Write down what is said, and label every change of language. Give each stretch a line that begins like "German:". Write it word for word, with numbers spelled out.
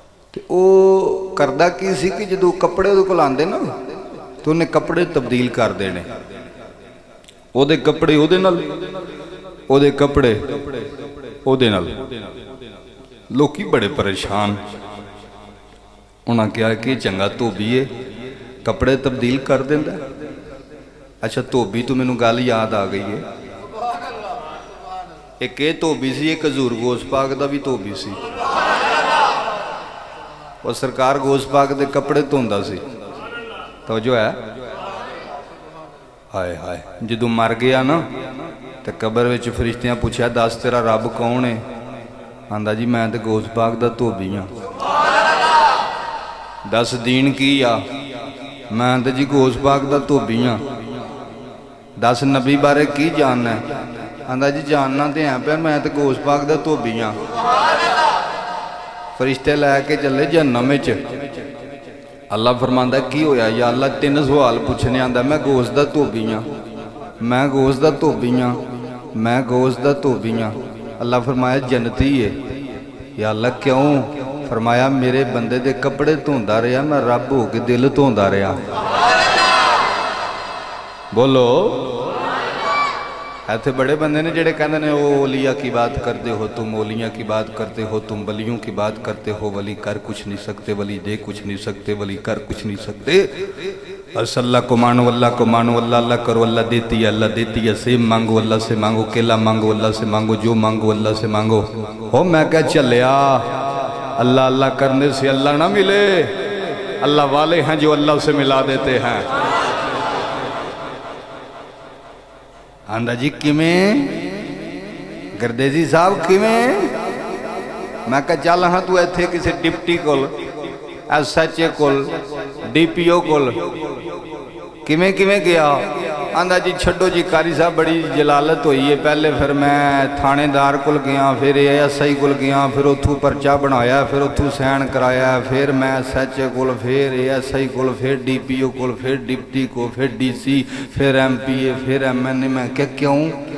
Punjabi: تے او کردا کی سی کہ جدوں کپڑے اودے کول آندے نا تے اونے کپڑے تبدیل کر دینے، اودے کپڑے اودے نال، اودے کپڑے اودے نال۔ ਲੋਕੀ ਬੜੇ ਪਰੇਸ਼ਾਨ, ਉਹਨਾਂ ਕਿਹਾ ਕਿ ਚੰਗਾ ਧੋਬੀ ਏ, ਕੱਪੜੇ ਤਬਦੀਲ ਕਰ ਦਿੰਦਾ। ਅੱਛਾ ਧੋਬੀ ਤੋਂ ਮੈਨੂੰ ਗੱਲ ਯਾਦ ਆ ਗਈ ਏ, ਇੱਕ ਇਹ ਧੋਬੀ ਸੀ, ਇੱਕ ਹਜ਼ੂਰ ਗੋਸ ਪਾਕ ਦਾ ਵੀ ਧੋਬੀ ਸੀ। ਉਹ ਸਰਕਾਰ ਗੋਸ ਪਾਕ ਦੇ ਕੱਪੜੇ ਧੋਂਦਾ ਸੀ। ਤਵਜੋ ਹੈ। ਹਾਏ ਹਾਏ, ਜਦੋਂ ਮਰ ਗਿਆ ਨਾ ਤੇ ਕਬਰ ਵਿੱਚ ਫਰਿਸ਼ਤਿਆਂ ਪੁੱਛਿਆ, ਦੱਸ ਤੇਰਾ ਰੱਬ ਕੌਣ ਏ? ਆਂਦਾ ਜੀ ਮੈਂ ਤੇ ਗੋਸ ਪਾਕ ਦਾ ਧੋਬੀ ਹਾਂ। ਦੱਸ ਦੀਨ ਕੀ ਆ? ਮੈਂ ਤੇ ਜੀ ਗੋਸ ਪਾਕ ਦਾ ਧੋਬੀ ਹਾਂ। ਦੱਸ ਨਬੀ ਬਾਰੇ ਕੀ ਜਾਣਨਾ? ਆਂਦਾ ਜੀ ਜਾਣਨਾ ਤੇ ਹੈ ਪਿਆ, ਮੈਂ ਤੇ ਗੋਸ ਪਾਕ ਦਾ ਧੋਬੀ ਹਾਂ। ਫਰਿਸ਼ਤੇ ਲੈ ਕੇ ਚੱਲੇ ਜਹਨਮ ਵਿੱਚ। ਅੱਲਾ ਫਰਮਾਂਦਾ ਕੀ ਹੋਇਆ ਯਾ ਅੱਲਾ? ਤਿੰਨ ਸਵਾਲ ਪੁੱਛਣੇ। ਆਂਦਾ ਮੈਂ ਗੋਸ ਦਾ ਧੋਬੀ ਹਾਂ, ਮੈਂ ਗੋਸ ਦਾ ਧੋਬੀ ਹਾਂ, ਮੈਂ ਗੋਸ ਦਾ ਧੋਬੀ ਹਾਂ। اللہ فرمایا جنتی ہے یا اللہ کیوں؟ فرمایا میرے بندے دے کپڑے دھوندا رہا, میں رب ہو کے دل دھوندا رہا۔ بولو, ایتھے بڑے بندے نے جڑے کہندے نے
Urdu: او اولیاء کی بات کرتے ہو تم, اولیاء کی بات کرتے ہو تم, ولیوں کی بات کرتے ہو, ولی کر کچھ نہیں سکتے, ولی دے کچھ نہیں سکتے, ولی کر کچھ نہیں سکتے۔ اس اللہ کو مانو, اللہ کو مانو, اللہ اللہ کرو, اللہ دیتی ہے, اللہ دیتی ہے, سیب مانگو اللہ سے مانگو, کیلا مانگو اللہ سے مانگو, جو مانگو اللہ سے مانگو ہو۔ میں کیا چلیا, اللہ اللہ کرنے سے اللہ نہ ملے, اللہ والے ہیں جو اللہ سے ملا دیتے ہیں।
Punjabi: آندہ جی کیویں گردیزی صاحب کیویں? میں کیا چل ہاں تو ایتھے کسی deputy cool, S H A cool, D P ਓ ਕੋਲ ਕਿਵੇਂ ਕਿਵੇਂ ਗਿਆ? ਆਂਦਾ ਜੀ ਛੱਡੋ ਜੀ ਕਾਰੀ ਸਾਹਿਬ, ਬੜੀ ਜਲਾਲਤ ਹੋਈ ਹੈ। ਪਹਿਲੇ ਫਿਰ ਮੈਂ ਥਾਣੇਦਾਰ ਕੋਲ ਗਿਆ, ਫਿਰ ਐਸ ਆਈ ਕੋਲ ਗਿਆ, ਫਿਰ ਉੱਥੋਂ ਪਰਚਾ ਬਣਾਇਆ, ਫਿਰ ਉੱਥੋਂ ਸਾਈਨ ਕਰਾਇਆ, ਫਿਰ ਮੈਂ ਐਸ ਐਚ ਏ ਕੋਲ, ਫਿਰ ਐਸ ਆਈ ਕੋਲ, ਫਿਰ ਡੀ ਪੀ ਓ ਕੋਲ, ਫਿਰ ਡਿਪਟੀ ਕੋਲ, ਫਿਰ ਡੀ ਸੀ, ਫਿਰ ਐਮ ਪੀ ਏ, ਫਿਰ ਐਮ ਐਨ ਏ। ਮੈਂ ਕਿਹਾ ਕਿਉਂ?